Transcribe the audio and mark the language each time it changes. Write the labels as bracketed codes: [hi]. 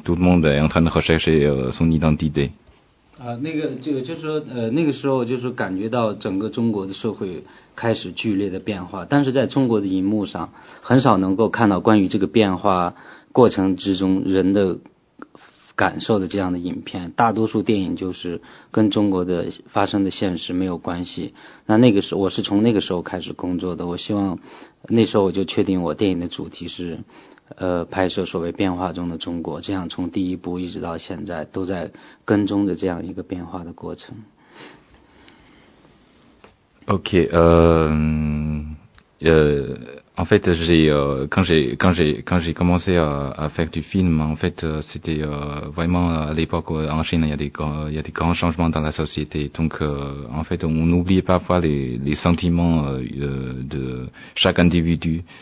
[fr] Tout le monde est en train de rechercher son identité. [zh] 那个就是说那个时候就是感觉到整个中国的社会开始剧烈的变化，但是在中国的荧幕上很少能够看到关于这个变化过程之中人的感受的这样的影片，大多数电影就是跟中国的发生的现实没有关系。那个时候我是从那个时候开始工作的，我希望那时候我就确定我电影的主题是拍摄所谓变化中的中国，这样从第一部一直到现在都在跟踪着这样一个变化的过程。 [fr] OK, en fait, quand j'ai commencé à faire du film, en fait, c'était vraiment à l'époque en Chine, il y a des grands changements dans la société. Donc, en fait, on oublie parfois les sentiments de chaque individu.